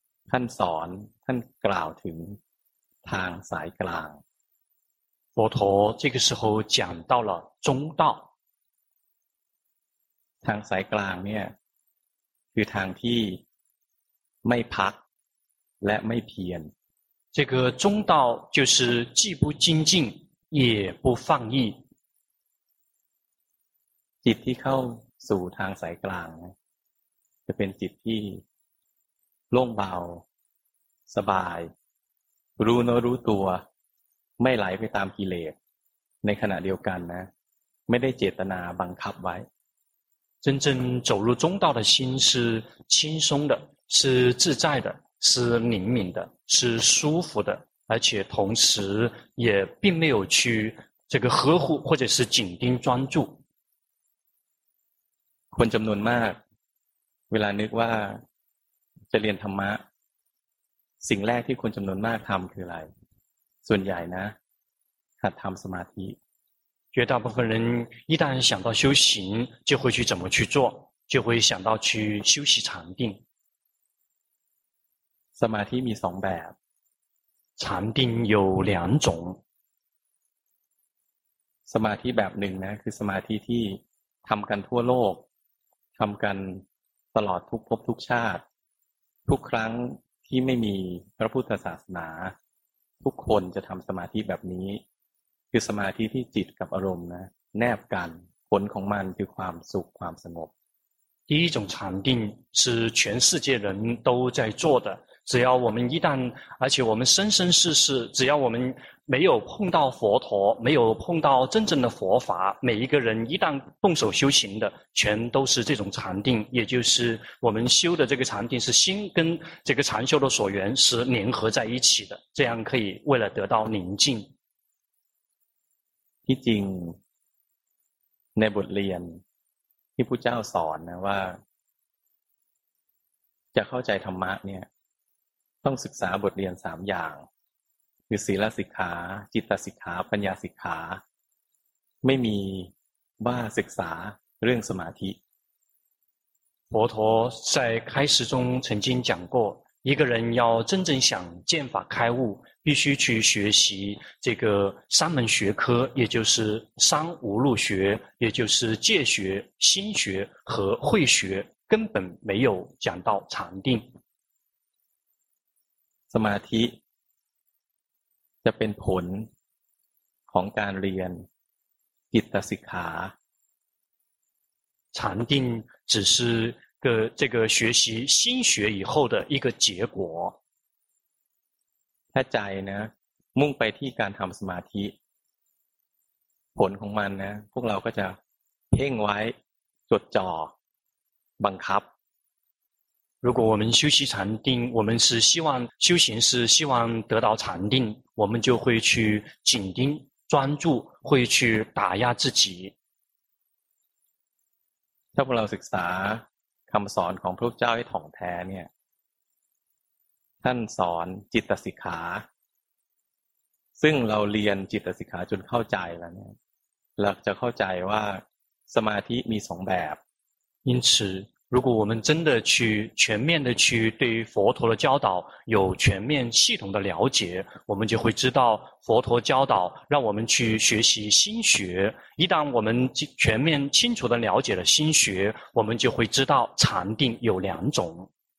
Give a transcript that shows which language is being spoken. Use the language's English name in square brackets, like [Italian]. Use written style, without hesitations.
[Thai] ท่านสอนท่านกล่าวถึงทางสายกลาง [Chinese] 佛陀这个时候讲到了中道 [Thai] ทางสายกลางเนี่ยคือทางที่ไม่พักและไม่เพียร [Chinese] 这个中道就是既不精进也不放逸 [Thai] จิตที่เข้าสู่ทางสายกลางจะเป็นจิตที่โล่งเบาสบายรู้เนื้อรู้ตัวไม่ไหลไปตามกิเลสในขณะเดียวกันนะไม่ได้เจตนาบังคับไว้ [Chinese] 真正走入中道的心是轻松的是自在的是灵敏的是舒服的而且同时也并没有去这个呵护或者是紧盯专注 [Thai] คนจำนวนมากเวลานึกว่าจะเรียนธรรมะสิ่งแรกที่คนจำนวนมากทำคืออะไรส่วนใหญ่นะหัดทำสมาธิ [Chinese] 绝大部分人一旦想到修行就会去怎么去做就会想到去休息禅定 [Thai] สมาธิมี2แบบ [Chinese] 禅定有2种 [Thai] สมาธิแบบหนึ่งนะคือสมาธิที่ทำกันทั่วโลกทำกันตลอดทุกภพทุกชาติทุกครั้งที่ไม่มีพระพุทธศาสนาทุกคนจะทำสมาธิแบบนี้คือสมาธิที่จิตกับอารมณ์นะแนบกันผลของมันคือความสุขความสงบ [Chinese] 第一种禅定是全世界人都在做的只要我们一旦而且我们生生世世只要我们没有碰到佛陀没有碰到真正的佛法每一个人一旦动手修行的全都是这种禅定也就是我们修的这个禅定是心跟这个禅修的所缘是联合在一起的这样可以为了得到宁静ที่ [Thai] จริงในบทเรียนที่พุทธเจ้าสอนนะว่าจะเข้าใจธรรมะเนี่ยต้องศึกษาบทเรียน3อย่าง คือศีลสิกขาจิตสิกขาปัญญาสิกขาไม่มีว่าศึกษาเรื่องสมาธิ [Chinese] 佛陀在开始中曾经讲过一个人要真正想见法开悟必须去学习这个三门学科也就是三无漏学也就是戒学心学和慧学根本没有讲到禅定 [Thai] สมาธิจะเป็นผลของการเรียนจิตสิกขา [Chinese] 禅定只是个这个学习心学以后的一个结果 [Thai] ถ้าใจนะมุ่งไปที่การทำสมาธิผลของมันนะพวกเราก็จะเพ่งไว้จดจ่อบังคับ [Chinese] 如果我们修习禅定我们是希望修行是希望得到禅定我们就会去紧盯专注会去打压自己 [Thai] ถ้าพวกเราศึกษาคำสอนของพระพุทธเจ้าให้ถ่องแท้เนี่ยท่านสอนจิตสิกขาซึ่งเราเรียนจิตสิกขาจนเข้าใจแล้วเนี่ยเราจะเข้าใจว่าสมาธิมีสองแบบ [Chinese] 因此如果我们真的去全面的去对佛陀的教导有全面系统的了解我们就会知道佛陀教导让我们去学习心学一旦我们全面清楚的了解了心学我们就会知道禅定有两种